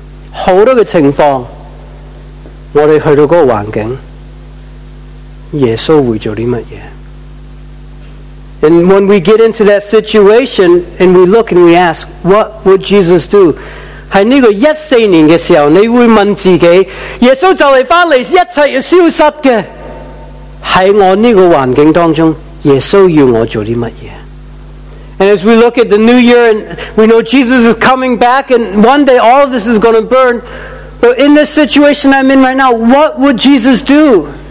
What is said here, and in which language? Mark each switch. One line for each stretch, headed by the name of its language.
Chinese: 好多嘅情况，我哋去到嗰个环境，耶稣会做啲乜嘢？
English: And when we get into that situation and we look and we ask, what would Jesus do?
Chinese: 在这个一四年的时候，你会问自己，耶稣就来回来，一切要消失的，在我这个环境当中，耶稣要我做什么？
English: And as we look at the new year and we know Jesus is coming back and one day all of this is going to burn, but in this situation I'm in right now, what would Jesus do?